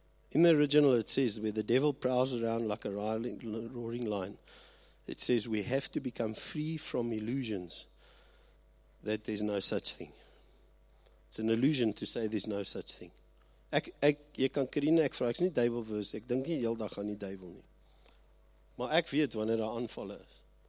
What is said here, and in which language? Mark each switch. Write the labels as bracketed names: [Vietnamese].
[English] In the original it says, where the devil prowls around like a roaring lion, it says we have to become free from illusions that there's no such thing. It's an illusion to say there's no such thing. [Afrikaans] Jy kan Karine, ek vra, ek is nie duivelbewus, ek dink nie heel dag aan die duivel nie. Maar ek weet wanneer daar aanvalle is.